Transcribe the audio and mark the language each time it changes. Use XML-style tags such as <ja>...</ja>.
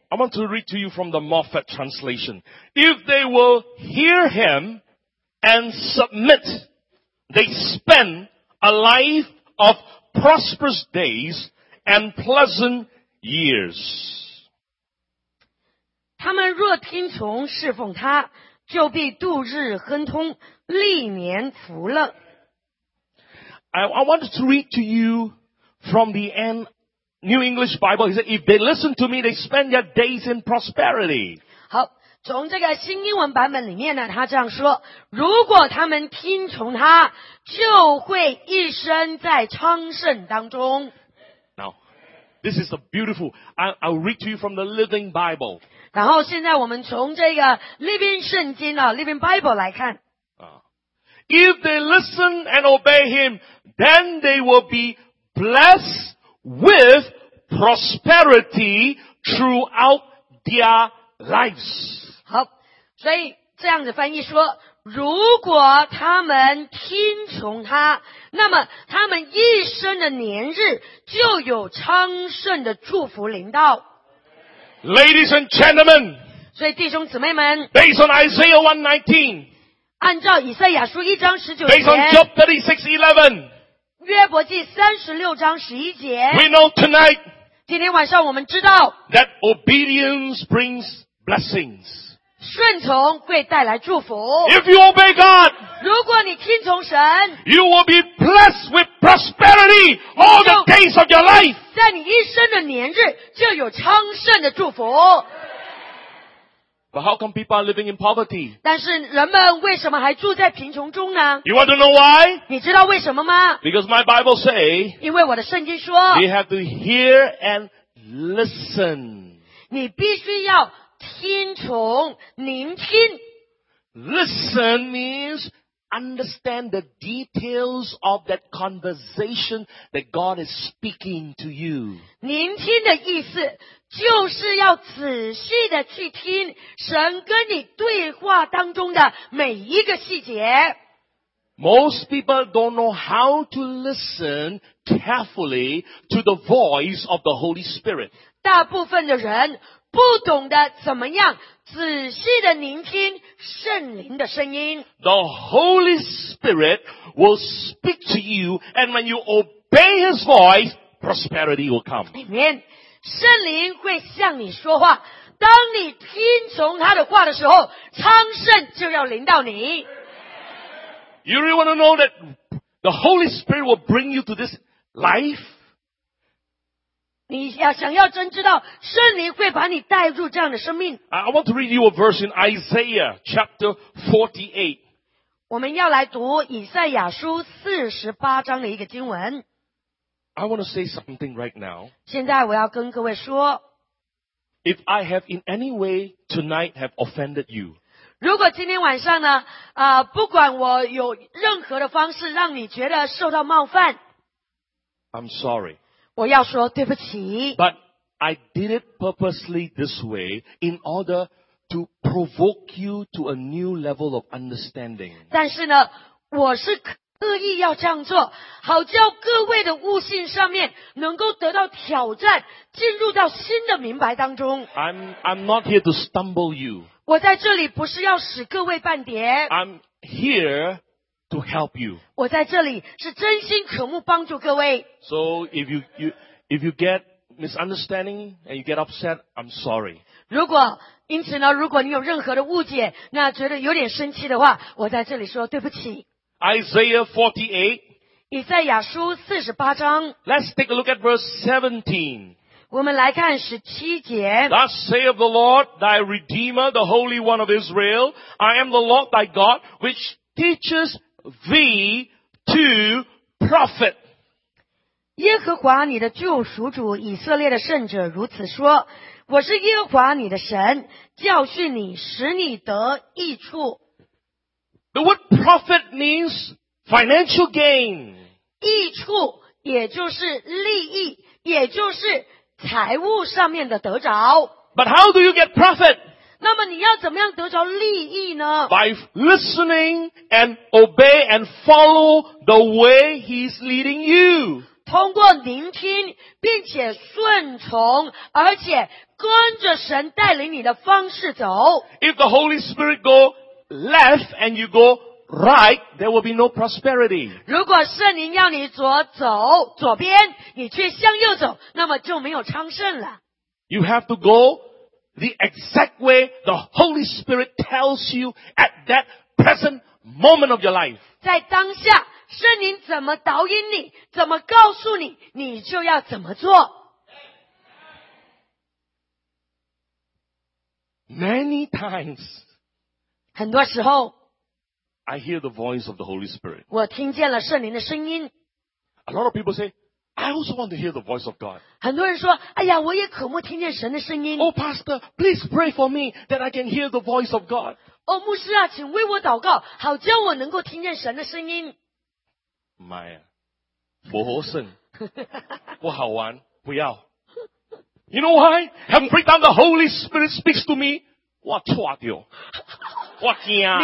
<en>I want to read to you from the Moffat translation. If they will hear him and submit, they spend a life of prosperous days and pleasant years.</en> <zh>他们若听从侍奉他，就必度日亨通，历年福乐。</zh> <en>I want to read to you from the New English Bible. He said, if they listen to me, they spend their days in prosperity.</en> <zh>好，从这个新英文版本里面呢，他这样说，如果他们听从他，就会一生在昌盛当中。</zh> <en>Now, this is a beautiful, I'll read to you from the Living Bible.</en> <zh>然后现在我们从这个 Living 圣经啊， Living Bible 来看。</zh> <en>If they listen and obey him, then they will be blessed with prosperity throughout their lives.</en> <zh>好，所以这样子翻译说，如果他们听从他，那么他们一生的年日就有昌盛的祝福临到。</zh> <en>Ladies and gentlemen,</en> <zh>所以弟兄姊妹们，</zh> <en>based on Isaiah 119,</en> <zh>按照以赛亚书一章十九节</zh> <en>Based on Job 36:11,</en> <zh>约伯记三十六章十一节</zh> <en>We know tonight,</en> <zh>今天晚上我们知道</zh> <en>that obedience brings blessings.</en> <zh>顺从会带来祝福</zh> <en>If you obey God,</en> <zh>如果你听从神</zh> <en>you will be blessed with prosperity all the days of your life.</en> <zh>在你一生的年日就有昌盛的祝福</zh> <en>But how come people are living in poverty?</en> <zh>但是人们为什么还住在贫穷中呢？</zh> <en>You want to know why?</en> <zh>你知道为什么吗？</zh> <en>Because my Bible say,</en> <zh>因为我的圣经说,</zh> <en>we have to hear and listen.</en> <zh>你必须要听从,聆听。</zh> <en>Listen means understand the details of that conversation that God is speaking to you.</en> <zh>聆听的意思就是要仔细的去听神跟你对话当中的每一个细节。</zh> <en>Most people don't know how to listen carefully to the voice of the Holy Spirit.</en> <zh>大部分的人不懂得怎么样仔细的聆听圣灵的声音。</zh> <en>The Holy Spirit will speak to you, and when you obey His voice, prosperity will come. Amen.</en> <zh>圣灵会向你说话，当你听从他的话的时候，昌盛就要临到你。</zh> <en>You really want to know that the Holy Spirit will bring you to this life?</en> <zh>你想要真知道圣灵会把你带入这样的生命。</zh> <en>I want to read you a verse in Isaiah chapter 48.</en> <zh>我们要来读以赛亚书48章的一个经文。</zh> <en>I want to say something right now.</en> <zh>现在我要跟各位说。</zh> <en>If I have in any way tonight have offended you,</en> <zh>如果今天晚上呢，不管我有任何的方式让你觉得受到冒犯，</zh> <en>I'm sorry.</en> <zh>我要说对不起。</zh> <en>But I did it purposely this way in order to provoke you to a new level of understanding.</en> <zh>但是呢，我是刻意要这样做，好叫各位的悟性上面能够得到挑战，进入到新的明白当中。</zh> <en>I'm not here to stumble you.</en> <zh>我在这里不是要使各位绊跌。</zh> <en>I'm here to help you.</en> <zh>我在这里是真心渴慕帮助各位。</zh> <en>So if you get misunderstanding and you get upset, I'm sorry.</en> <zh>如果因此呢，如果你有任何的误解，那觉得有点生气的话，我在这里说对不起。</zh> <en>Isaiah 48.</en> <zh>以赛亚书48章。</zh> <en>Let's take a look at verse 17.</en> <zh>我们来看17节。</zh> <en>Thus saith the Lord, thy Redeemer, the Holy One of Israel, I am the Lord thy God, which teaches thee to profit.</en> <zh>耶和华你的救赎主以色列的圣者如此说，我是耶和华你的神，教训你，使你得益处。</zh> <en>The word profit means financial gain.</en> <zh>益处也就是利益，也就是财务上面的得着。</zh> <en>But how do you get profit?</en> <zh>那么你要怎么样得着利益呢？</zh> <en>By listening and obey and follow the way he's leading you.</en> <zh>通过聆听并且顺从，而且跟着神带领你的方式走。</zh> <en>If the Holy Spirit go left and you go right, there will be no prosperity.</en> <zh>如果圣灵要你左走左边，你却向右走，那么就没有昌盛了。</zh> <en>You have to go the exact way the Holy Spirit tells you at that present moment of your life.</en> <zh>在当下圣灵怎么导引你，怎么告诉你，你就要怎么做。</zh> <en>Many times,</en> <zh>很多时候</zh> <en>I hear the voice of the Holy Spirit.</en> <zh>我听见了圣灵的声音。</zh> <en>A lot of people say, I also want to hear the voice of God.</en> <zh>很多人说，哎呀，我也渴慕听见神的声音。</zh> <en>Oh, Pastor, please pray for me that I can hear the voice of God.</en> <zh>哦，牧师啊，请为我祷告，好叫我能够听见神的声音。妈呀，不好胜，不好玩，不要。</zh> <en>You know why? Every time the Holy Spirit speaks to me,</en> <zh>我错掉，我惊。</zh>